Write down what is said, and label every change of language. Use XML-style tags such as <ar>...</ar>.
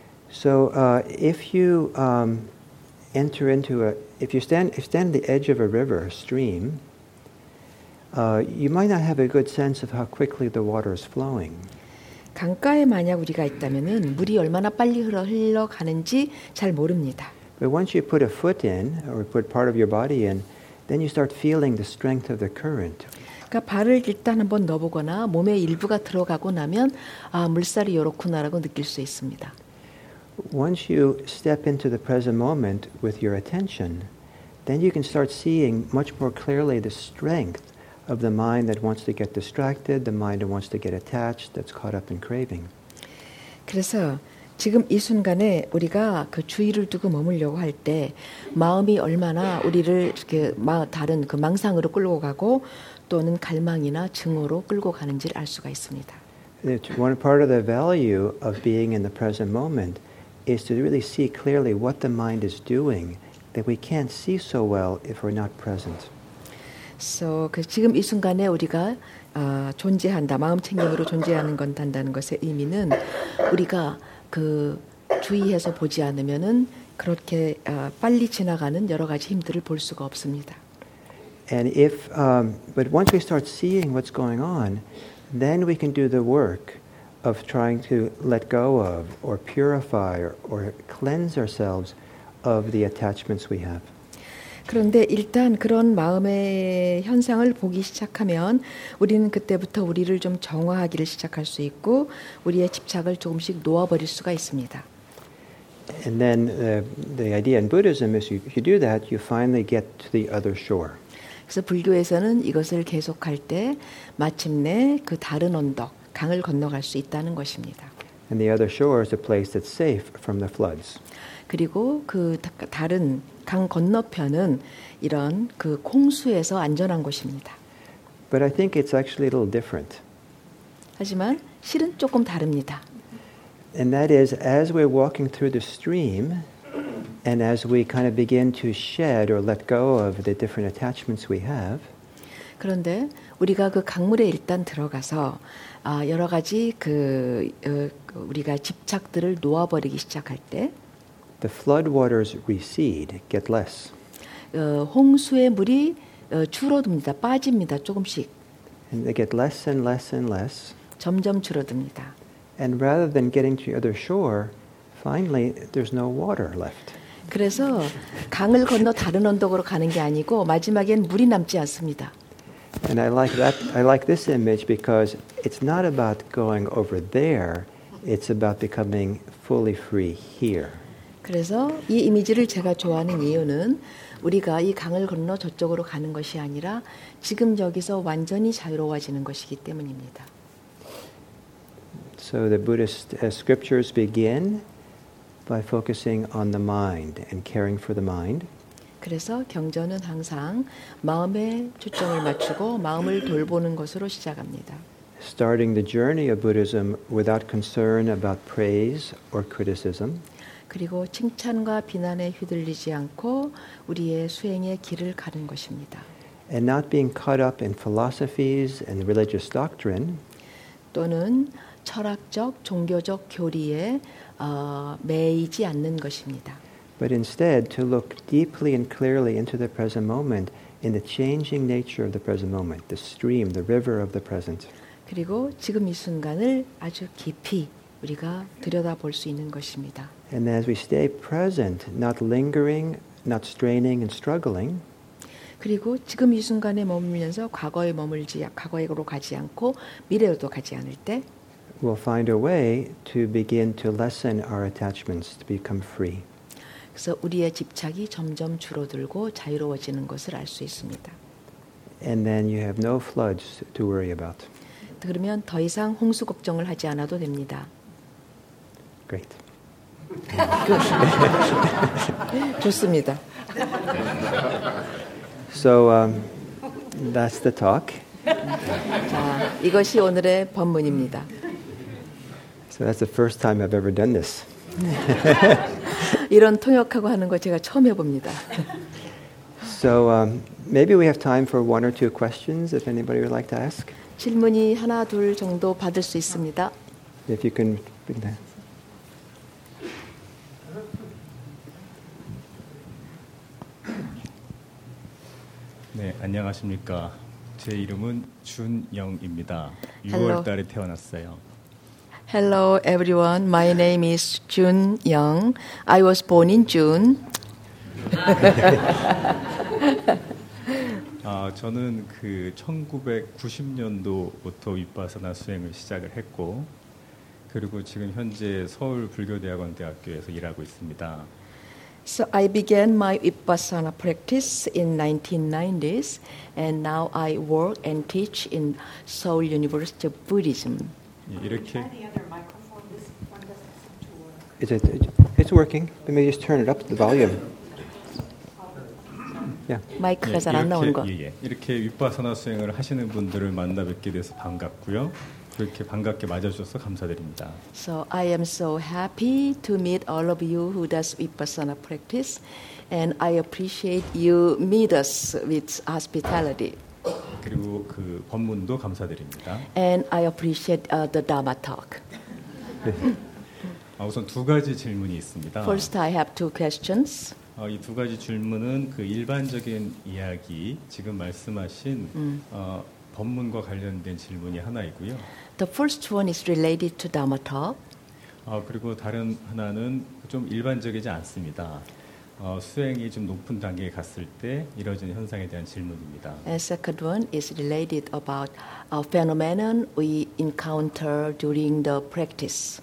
<en>So if you enter into a if you stand at the edge of a river, a stream, you might not have a good sense of how quickly the water is flowing.</en> <ko>강가에 만약 우리가 있다면은 물이 얼마나 빨리 흘러가는지 잘 모릅니다.</ko> <en>But once you put a foot in or put part of your body in, then you start feeling the strength of the current.</en> <ko>그러니까 발을 일단 한번 넣어보거나 몸의 일부가 들어가고 나면 아 물살이 요렇구나라고 느낄 수 있습니다.</ko> <en>Once you step into the present moment with your attention, then you can start seeing much more clearly the strength of the mind that wants to get distracted, the mind that wants to get attached, that's caught up in craving.</en> <ko>그래서 지금 이 순간에 우리가 그 주의를 두고 머물려고 할 때 마음이 얼마나 우리를 이렇게 다른 그 망상으로 끌고 가고 또는 갈망이나 증오로 끌고 가는지를 알 수가 있습니다.</ko> <en>It's one part of the value of being in the present moment is to really see clearly what the mind is doing that we can't see so well if we're not present.</en> <ko>So, 그 지금 이 순간에 우리가 존재한다, 마음 챙김으로 존재하는 건다는 것의 의미는 우리가 그 주의해서 보지 않으면은 그렇게 빨리 지나가는 여러 가지 힘들을 볼 수가 없습니다.</ko> <en>And if, but once we start seeing what's going on, then we can do the work of trying to let go of or purify or cleanse ourselves of the attachments we have.</en> <ko>그런데 일단 그런 마음의 현상을 보기 시작하면 우리는 그때부터 우리를 좀 정화하기를 시작할 수 있고 우리의 집착을 조금씩 놓아버릴 수가 있습니다.</ko> <en>And then the idea in Buddhism is if you do that, you finally get to the other shore.</en> <ko>그래서 불교에서는 이것을 계속할 때 마침내 그 다른 언덕, 강을 건너갈 수 있다는 것입니다.</ko> <en>And the other shore is a place that's safe from the floods.</en> <ko>그리고 그 다른 강 건너편은 이런 그 홍수에서 안전한 곳입니다.</ko> <en>But I think it's actually a little different.</en> <ko>하지만 실은 조금 다릅니다.</ko> <en>And that is as we're walking through the stream and as we kind of begin to shed or let go of the different attachments we have.</en> <ko>그런데 우리가 그 강물에 일단 들어가서 여러 가지 그 우리가 집착들을 놓아 버리기 시작할 때</ko> <en>The flood waters recede, get less.</en> <ko>홍수의 물이 줄어듭니다. 빠집니다. 조금씩.</ko> <en>And they get less and less and less.</en> <ko>점점 줄어듭니다.</ko> <en>And rather than getting to the other shore, finally there's no water left.</en> <ko>그래서 강을 건너 다른 언덕으로 가는 게 아니고 마지막엔 물이 남지 않습니다.</ko> <en>And I like that. I like this image because it's not about going over there. It's about becoming fully free here.</en> <ko>그래서 이 이미지를 제가 좋아하는 이유는 우리가 이 강을 건너 저쪽으로 가는 것이 아니라 지금 여기서 완전히 자유로워지는 것이기 때문입니다.</ko> <en>So the Buddhist scriptures begin by focusing on the mind and caring for the mind.</en> <ko>그래서 경전은 항상 마음에 초점을 맞추고 마음을 돌보는 것으로 시작합니다.</ko> <en>Starting the journey of Buddhism without concern about praise or criticism.</en> <ko>그리고 칭찬과 비난에 휘둘리지 않고 우리의 수행의 길을 가는 것입니다.</ko> <en>And not being caught up in philosophies and religious doctrine.</en> <ko>또는 철학적, 종교적 교리에 매이지 않는 것입니다.</ko> <en>But instead to look deeply and clearly into the present moment in the changing nature of the present moment, the stream, the river of the present.</en> <ko>그리고 지금 이 순간을 아주 깊이 우리가 들여다볼 수 있는 것입니다.</ko> <en>And as we stay present, not lingering, not straining and struggling.</en> <ko>그리고 지금 이 순간에 머물면서 과거에 머물지 과거에로 가지 않고 미래로도 가지 않을 때</ko> <en>we'll find a way to begin to lessen our attachments to become free.</en> <ko>그래서 우리의 집착이 점점 줄어들고 자유로워지는 것을 알 수 있습니다.</ko> <en>And then you have no floods to worry about.</en> <ko>그러면 더 이상 홍수 걱정을 하지 않아도 됩니다.</ko> <en>Great.</en> <ko>좋습니다.</ko> <en>So that's the talk.</en> <ko>자, 이것이 오늘의 법문입니다.</ko> <en>So that's the first time I've ever done this.</en> <ko>이런 통역하고 하는 거 제가 처음 해봅니다.</ko> <en>So maybe we have time for one or two questions if anybody would like to ask.</en> <ko>질문이 하나 둘 정도 받을 수 있습니다.</ko> <en>If you can bring that.</en> <ko>네, 안녕하십니까. 제 이름은 준영입니다. 6월 달에 태어났어요.</ko> <en>Hello everyone. My name is Jun Young. I was born in June.</en> <ko>아, 저는 그 1990년도부터 위파사나 수행을 시작을 했고 그리고 지금 현재 서울 불교대학원 대학교에서 일하고 있습니다.</ko> <en>So I began my Vipassana practice in 1990s and now I work and teach in Seoul University of Buddhism.</en> <ko>이렇게</ko> <en>It's working. Let me just turn it up the volume. Yeah.</en> <ko>마이크가 잘 안 나오는 거. 예. 이렇게 윗바사나 수행을 하시는 분들을 만나 뵙게 돼서 반갑고요. 그렇게 반갑게 맞아 주셔서 감사드립니다.</ko> <en>So I am so happy to meet all of you who does vipassana practice and I appreciate you meet us with hospitality.</en> <ko>그리고 그 법문도 감사드립니다.</ko> <en>And I appreciate the Dharma talk.</en> <ko>우선 두 가지 질문이 있습니다.</ko> <en>First I have two questions.</en> <ko>이 두 가지 질문은 그 일반적인 이야기, 지금 말씀하신 법문과 관련된 질문이 하나이고요.</ko> <en>The first one is related to Dharma talk.</en> <ko>그리고 다른 하나는 좀 일반적이지 않습니다. 수행이 좀 높은 단계에 갔을 때 이루어지는 현상에 대한 질문입니다.</ko> <en>The second one is related about a phenomenon we encounter during the practice.</en>